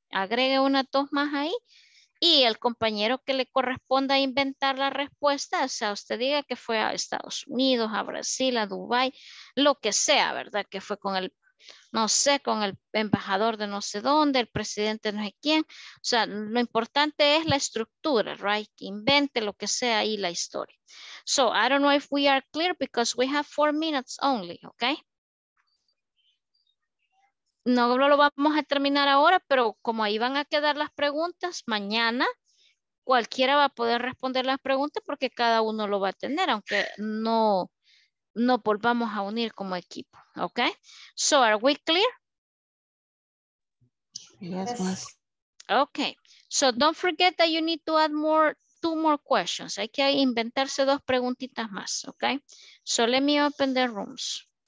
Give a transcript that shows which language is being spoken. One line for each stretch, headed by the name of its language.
Spanish: Agregue una, dos más ahí. Y el compañero que le corresponda inventar la respuesta, o sea, usted diga que fue a Estados Unidos, a Brasil, a Dubái, lo que sea, ¿verdad? Que fue con el, no sé, con el embajador de no sé dónde, el presidente no sé quién. O sea, lo importante es la estructura,
English: right?
Spanish: Que invente lo que sea y la historia.
English: So, I don't know if we are clear because we have 4 minutes only, okay?
Spanish: No lo vamos a terminar ahora, pero como ahí van a quedar las preguntas, mañana cualquiera va a poder responder las preguntas porque cada uno lo va a tener, aunque no volvamos a unir como equipo,
English: ¿ok? So, are we clear? Yes, ma'am. Ok, so don't forget that you need to add two more questions.
Spanish: Hay que inventarse dos preguntitas más, ¿ok?
English: So, let me open the rooms.